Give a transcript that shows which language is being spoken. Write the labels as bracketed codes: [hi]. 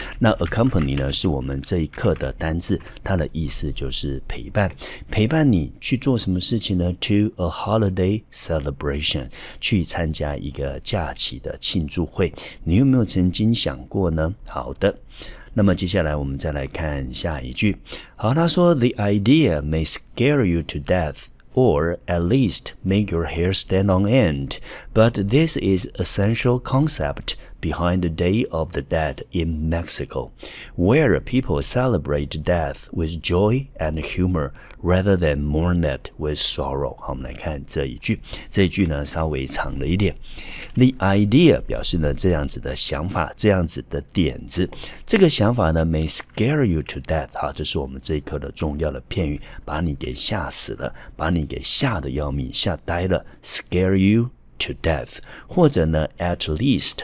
[zh] 那 accompany 呢是我们这一课的单字，它的意思就是陪伴，陪伴你去做什么事情呢， [en] to a holiday celebration， [zh] 去参加一个假期的庆祝会。你有没有曾经想过呢？好的，那么接下来我们再来看下一句。好，他说 [en] the idea may scare you to deathOr at least make your hair stand on end. But this is essential concept behind the Day of the Dead in Mexico, where people celebrate death with joy and humor rather than mourn it with sorrow. [zh] 好，我们来看这一句。这一句呢稍微长了一点。 The idea 表示呢这样子的想法，这样子的点子。这个想法呢 [en] may scare you to death. [zh] 好，这是我们这一课的重要的片语，把你给吓死了，把你给吓得要命，吓呆了， [en] scare youto death， [zh] 或者呢 [en] at least。